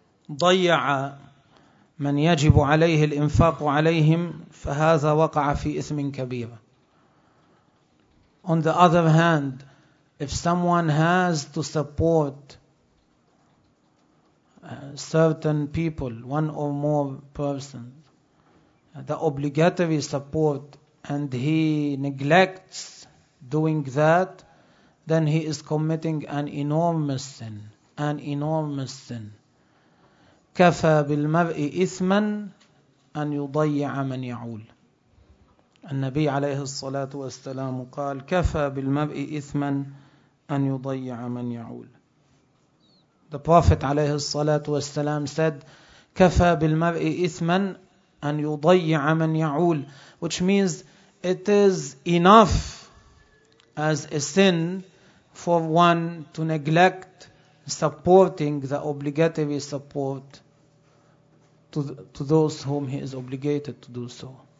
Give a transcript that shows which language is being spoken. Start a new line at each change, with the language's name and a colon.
Arabic: ضيع من يجب عليه الإنفاق عليهم فهذا وقع في إثم كبير.
English: On the other hand, if someone has to support certain people, one or more persons, the obligatory support, and he neglects doing that, then he is committing an enormous sin, an enormous sin.
Arabic: كفى بالمرء إثما أن يضيع من يعول. النبي عليه الصلاة والسلام قال كفى بالمرء إثما أن يضيع من يعول.
English: The Prophet عليه الصلاة والسلام said
Arabic: كفى بالمرء إثما أن يضيع من يعول,
English: which means it is enough as a sin for one to neglect supporting the obligatory support to those whom he is obligated to do so.